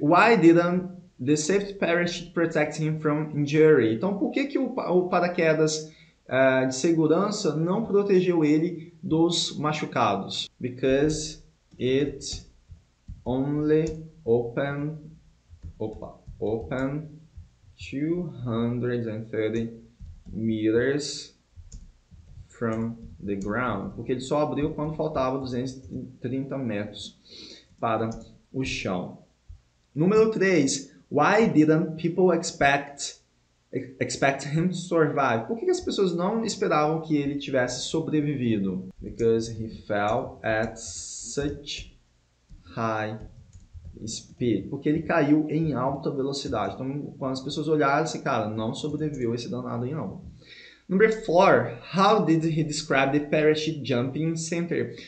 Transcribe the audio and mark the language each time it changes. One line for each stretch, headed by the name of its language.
English: Why didn't the safety parachute protect him from injury?
Portuguese: Então, por que, que o paraquedas de segurança não protegeu ele dos machucados?
English: Because it only opened 230 meters from the ground.
Portuguese: Porque ele só abriu quando faltava 230 metros para o chão. Número 3.
English: Why didn't people expect him to survive?
Portuguese: Por que, que as pessoas não esperavam que ele tivesse sobrevivido?
English: Because he fell at such high speed.
Portuguese: Porque ele caiu em alta velocidade. Então, quando as pessoas olharam, esse cara não sobreviveu esse danado aí, não.
English: Number 4. How did he describe the parachute jumping center?